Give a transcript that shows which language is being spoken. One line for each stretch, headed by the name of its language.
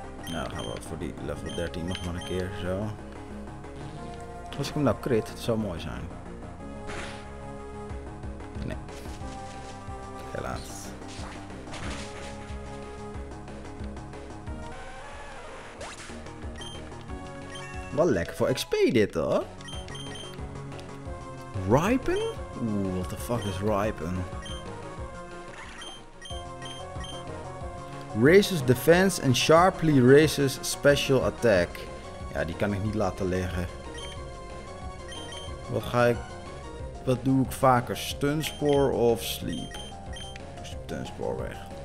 Dutch: Nou, dan gaan we voor die level 13 nog maar een keer zo. Als ik hem nou crit, dat zou mooi zijn. Nee. Helaas. Wel lekker voor XP dit hoor. Ripen?
English: Oeh, what the fuck is ripen? Raises defense and sharply raises special attack.
Dutch: Ja, die kan ik niet laten liggen. Wat ga ik... Wat doe ik vaker? Stunspoor of sleep? Stunspoor weg.